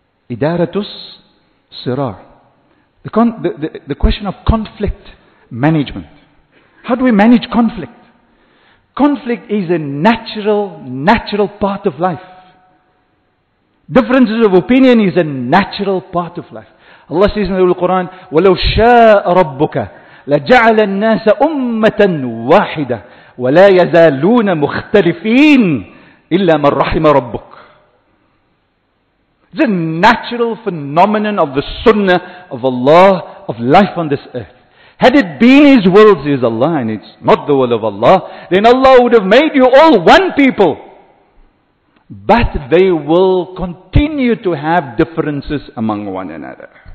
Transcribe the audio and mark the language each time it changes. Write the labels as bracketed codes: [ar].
[en] Idaratu sirar. The question of conflict management. How do we manage conflict? Conflict is a natural part of life. Differences of opinion is a natural part of life. Allah says in the Quran, [ar] وَلَوْ شَاءَ رَبُّكَ لَجَعَلَ النَّاسَ أُمَّةً وَاحِدَةً وَلَا يَزَالُونَ مُخْتَلِفِينَ إِلَّا مَنْ رَحِمَ رَبُّكَ. [en] It's a natural phenomenon of the sunnah of Allah, of life on this earth. Had it been His will, says Allah, and it's not the will of Allah, then Allah would have made you all one people. But they will continue to have differences among one another.